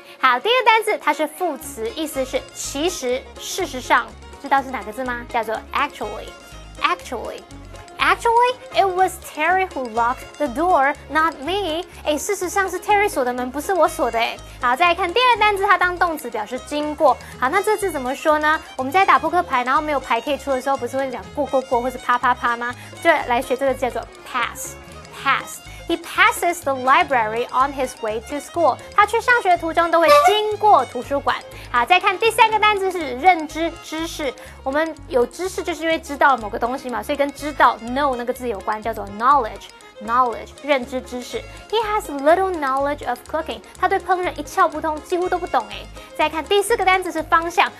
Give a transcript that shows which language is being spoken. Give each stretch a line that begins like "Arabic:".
Chinese: 好，第一个单字它是副词，意思是其实、事实上，知道是哪个字吗？叫做 actually， actually。
English: Actually, it was Terry who locked the door, not me.
Chinese: 诶，事实上是 Terry 锁的门，不是我锁的诶。好，再来看第二单字，它当动词表示经过。好，那这字怎么说呢？我们在打扑克牌，然后没有牌可以出的时候，不是会讲过过过或是啪啪啪吗？就来学这个叫做 pass, pass。
English: He passes the library on his way to school.
Chinese: 他去上学途中都会经过图书馆。好，再看第三个单字是认知、知识。我们有知识就是因为知道某个东西嘛，所以跟知道 know 那个字有关，叫做 knowledge, knowledge, 认知、知识。
English: He has little knowledge of cooking.
Chinese: 他对烹饪一窍不通，几乎都不懂诶。再看第四个单字是方向。